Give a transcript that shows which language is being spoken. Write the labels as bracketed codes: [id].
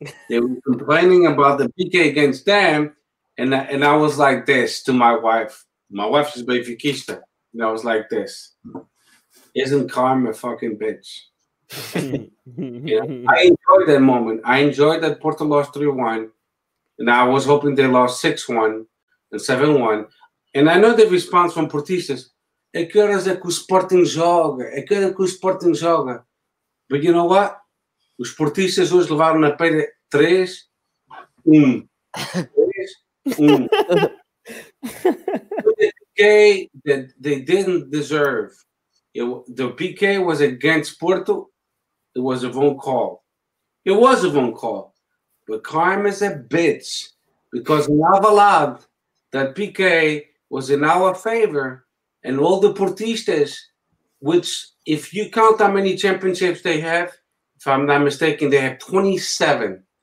[en] They were complaining about the PK against them, and I was like this to my wife. My wife is Benfiquista, and I was like this. Isn't karma a fucking bitch? I enjoyed that moment. I enjoyed that Porto lost 3-1, and I was hoping they lost 6-1 and 7-1. And I know the response from Portistas, [pt] é que horas é que o Sporting joga? [en] É que horas é que o Sporting joga? But you know what? [pt] Os esportistas hoje levaram na pele 3-1. 3-1. [en] PK that they didn't deserve. The PK was against Porto. It was a wrong call. It was a wrong call. But karma's a bitch. Because Navalad, that PK was in our favor, and all the Portistas, which if you count how many championships they have, if I'm not mistaken, they have 27.